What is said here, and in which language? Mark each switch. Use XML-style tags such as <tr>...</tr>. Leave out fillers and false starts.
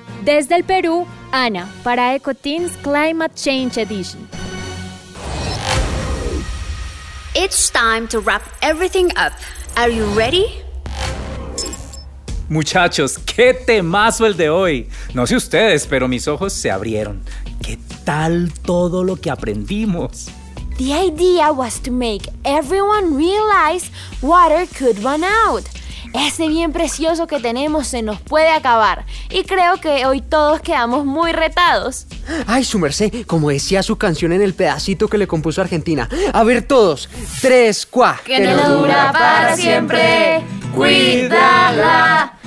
<es>Desde el Perú, Ana, para EcoTeens Climate Change Edition.</es> <en>It's time to wrap everything up. Are you ready?</en> <es>Muchachos, qué temazo el de hoy. No sé ustedes, pero mis ojos se abrieron. ¿Qué tal todo lo que aprendimos?</es> <en>The idea was to make everyone realize water could run out.</en> <es>Ese bien precioso que tenemos se nos puede acabar. Y creo que hoy todos quedamos muy retados. Ay, su merced, como decía su canción en el pedacito que le compuso Argentina. A ver todos, tres, cuá. Que no dura para siempre, cuídala.</es>